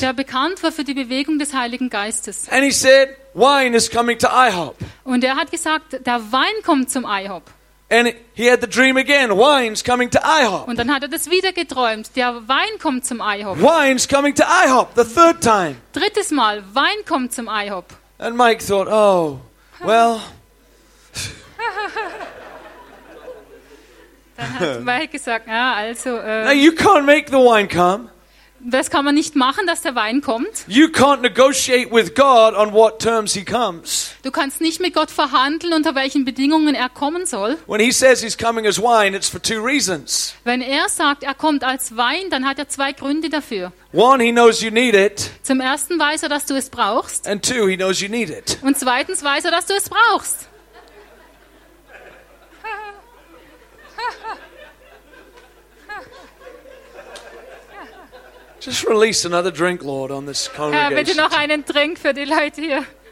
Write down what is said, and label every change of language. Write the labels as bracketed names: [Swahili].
[German] Der bekannt war für die Bewegung des Heiligen Geistes. [English] And he said, "Wine is coming to IHOP." [German] Und er hat gesagt, der Wein kommt zum IHOP. [English] And he had the dream again. Wine's coming to IHOP. [German] Und dann hat er das wieder geträumt. Der Wein kommt zum IHOP. [English] Wine's coming to IHOP. The third time. [German] Drittes Mal. Wein kommt zum IHOP. [English] And Mike thought, "Oh, well." [German] Dann hat Mike gesagt, ja, also. [English] Now you can't make the wine come. [German] Das kann man nicht machen, dass der Wein kommt. [English] You can't negotiate with God on what terms he comes. [German] Du kannst nicht mit Gott verhandeln, unter welchen Bedingungen er kommen soll. [English] When he says he's coming as wine, it's for 2 reasons. [German] Wenn er sagt, er kommt als Wein, dann hat er 2 Gründe dafür. [English] One, he knows you need it. [German] Zum ersten weiß er, dass du es brauchst. [English] And 2, he knows you need it. [German] Und zweitens weiß er, dass du es brauchst. [English] Just release another drink, Lord, on this congregation. [German] Herr, bitte noch einen Drink für die Leute hier.